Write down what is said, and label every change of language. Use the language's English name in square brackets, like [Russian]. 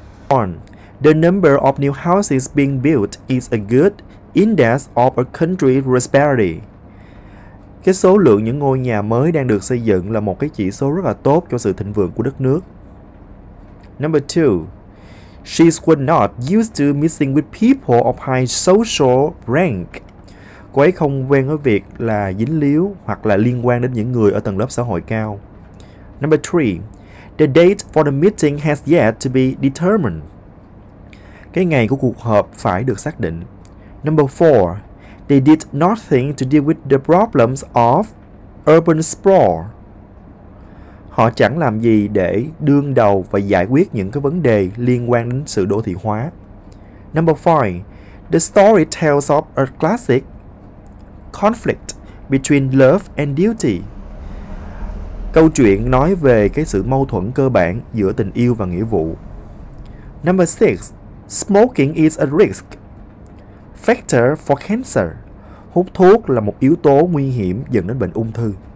[English] on. The number of new houses being built is a good index of a country's prosperity. [Vietnamese] Cái số lượng những ngôi nhà mới đang được xây dựng là một cái chỉ số rất là tốt cho sự thịnh vượng của đất nước. [English] Number 2. She was not used to mixing with people of high social rank. [Vietnamese] Cô ấy không quen với việc là dính líu hoặc là liên quan đến những người ở tầng lớp xã hội cao. [English] Number 3. The date for the meeting has yet to be determined. [Vietnamese] Cái ngày của cuộc họp phải được xác định. [English] Number 4. They did nothing to deal with the problems of urban sprawl. [Vietnamese] Họ chẳng làm gì để đương đầu và giải quyết những cái vấn đề liên quan đến sự đô thị hóa. [English] Number 5. The story tells of a classic conflict between love and duty. [Vietnamese] Câu chuyện nói về cái sự mâu thuẫn cơ bản giữa tình yêu và nghĩa vụ. [English] Number 6. Smoking is a risk factor for cancer. [Vietnamese] Hút thuốc là một yếu tố nguy hiểm dẫn đến bệnh ung thư.